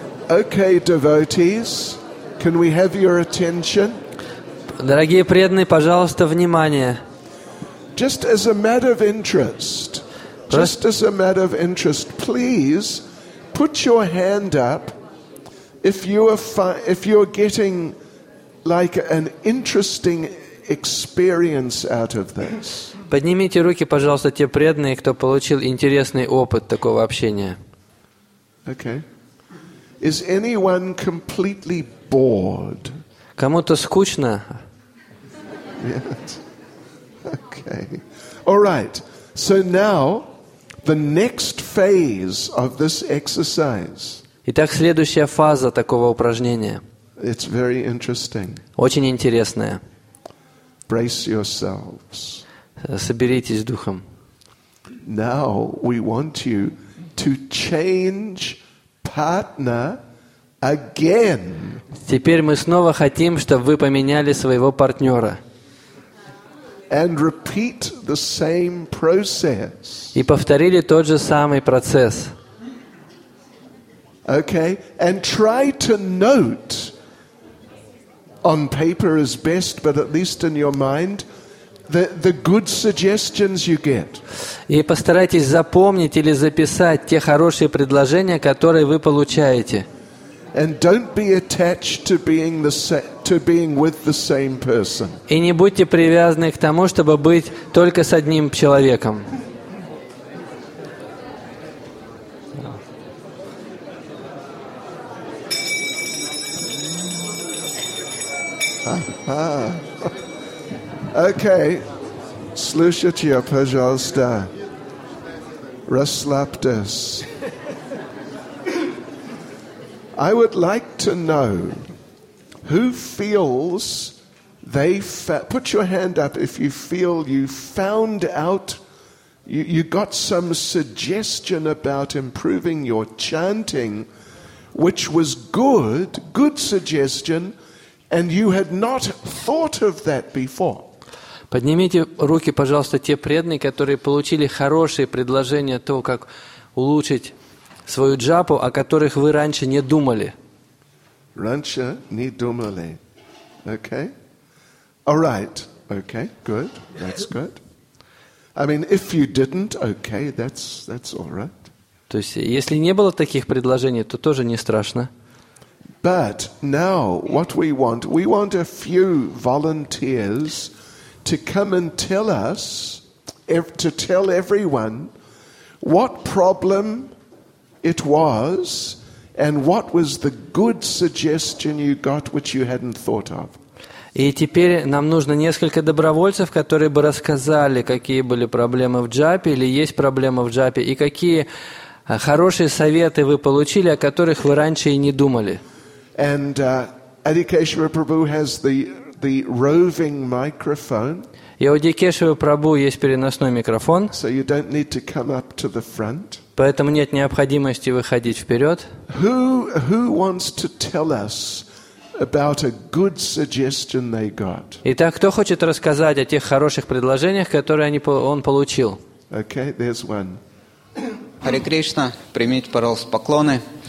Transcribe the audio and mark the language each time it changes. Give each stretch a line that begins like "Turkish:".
English: Okay, devotees, can we have your attention?
Russian: Дорогие преданные, пожалуйста, внимание.
English: Just as a matter of interest, please put your hand up if you are getting like an interesting experience out of this.
Russian: Поднимите руки, пожалуйста, те преданные, кто получил интересный опыт такого общения.
English: Okay. Is anyone completely bored?
Russian: Кому-то скучно?
English: Yes. Okay. All right. So now, the next phase of this exercise.
Russian: Итак, следующая фаза такого упражнения.
English: It's very interesting.
Russian: Очень интересная.
English: Brace yourselves.
Russian: Соберитесь духом.
English: Now we want you to change partner. Again.
Russian: Теперь мы снова хотим, чтобы вы поменяли своего партнера.
English: And repeat the same process.
Russian: И повторили тот же самый процесс.
English: Okay. And try to note on paper is best, but at least in your mind. The good suggestions you get.
Russian: И постарайтесь запомнить или записать те хорошие предложения, которые вы получаете.
English: And don't be attached to being with the same person.
Russian: И не будьте привязаны к тому, чтобы быть только с одним человеком. Okay. Слушайте, пожалуйста. Расслабьтесь.
English: I would like to know who feels they put your hand up if you feel you found out you got some suggestion about improving your chanting, which was good suggestion, and you had not thought of that before.
Russian: Поднимите руки, пожалуйста, те преданные, которые получили хорошие предложения о том, как улучшить свою джапу, о которых вы раньше не думали. Раньше не думали.
English: Okay. All right. Okay. Good. That's good. I mean, if you didn't, okay, that's all right.
Russian: То есть, если не было таких предложений, то тоже не страшно.
English: But now, what we want a few volunteers to come and tell us, to tell everyone what problem it was, and what was the good suggestion you got, which you hadn't thought of?
Russian: И теперь нам нужно несколько добровольцев, которые бы рассказали, какие были проблемы в джапе или есть проблемы в джапе, и какие хорошие советы вы получили, о которых вы раньше и не думали.
English: And Adikeshwar Prabhu has the roving microphone.
Russian: И у Адикешвара Прабху есть переносной микрофон.
English: So you don't need to come up to the front.
Russian: Поэтому нет необходимости выходить вперед.
English: Who wants to tell us about a good suggestion they got?
Russian: Итак, кто хочет рассказать о тех хороших предложениях, которые он получил?
English: Okay, there's one.
Russian: Харе Кришна, примите, пожалуйста, поклоны.